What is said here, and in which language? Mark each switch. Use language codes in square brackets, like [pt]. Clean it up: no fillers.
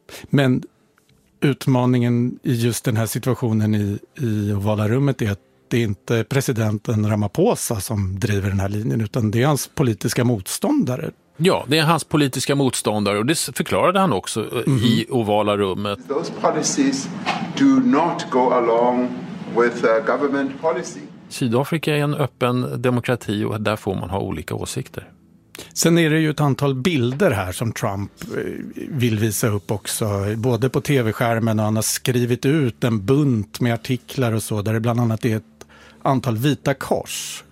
[sv] Men utmaningen i just den här situationen i ovala rummet är att det är inte presidenten Ramaphosa som driver den här linjen, utan det är hans politiska motståndare. Ja, det är hans politiska motståndare, och det förklarade han också i ovala rummet. [en] Those policies do not go along with government policy. [sv] Sydafrika är en öppen demokrati, och där får man ha olika åsikter. Sen är det ju ett antal bilder här som Trump vill visa upp också, både på tv-skärmen, och han har skrivit ut en bunt med artiklar och så, där det bland annat är ett antal vita kors.